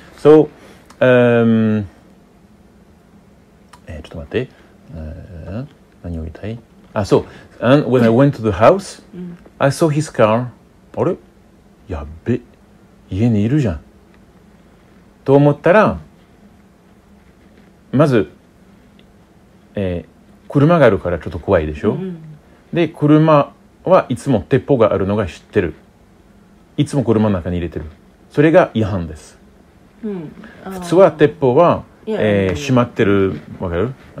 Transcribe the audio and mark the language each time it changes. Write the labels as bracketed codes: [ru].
[ja] So, ちょっと待って、何を言いたい？あ、そう。 [en] And when I went to the house, I saw his car. [ja] あれ？やべ、家にいるじゃん。と思ったら、まず、車があるからちょっと怖いでしょ。で、車はいつも鉄砲があるのが知ってる。いつも車の中に入れてる。それが違反です。普通は鉄砲は、閉まってる、わかる？